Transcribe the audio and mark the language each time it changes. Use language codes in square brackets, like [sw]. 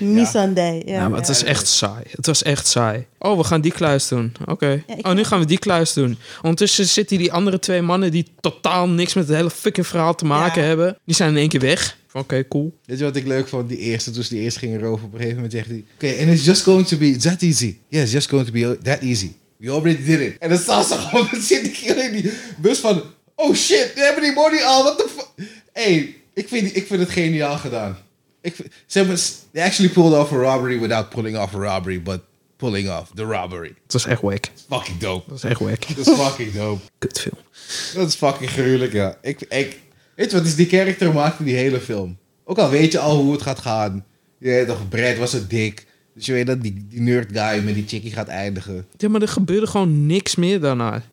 [nl] Missandei, ja. Nou, maar het was echt saai. Oh, we gaan die kluis doen. Oké. Okay. Ja, nu gaan we die kluis doen. Ondertussen zitten die andere twee mannen die totaal niks met het hele fucking verhaal te maken hebben. Die zijn in één keer weg. Oké, cool. Weet je wat ik leuk vond? Die eerste, toen ze die eerste gingen roven, op een gegeven moment zegt hij... [en] Oké, and it's just going to be that easy. Yeah, it's just going to be that easy. We already did it. [nl] En dan staan ze gewoon met zin in die bus van... Oh shit, we hebben die money al. [en] What the fuck? [nl] Hey, ik vind het geniaal gedaan. [en] They actually pulled off a robbery without pulling off a robbery, but... Pulling off the robbery. [nl] Het was echt wack. [en] Fucking dope. [nl] Dat was echt wack. Dat is fucking dope. Kut film. Dat is fucking gruwelijk, ja. Ik weet je wat, is die character maakt in die hele film. Ook al weet je al hoe het gaat gaan. Je weet toch, Brad was het dik. Dus je weet dat die nerd guy met die chickie gaat eindigen. Ja, maar er gebeurde gewoon niks meer daarna.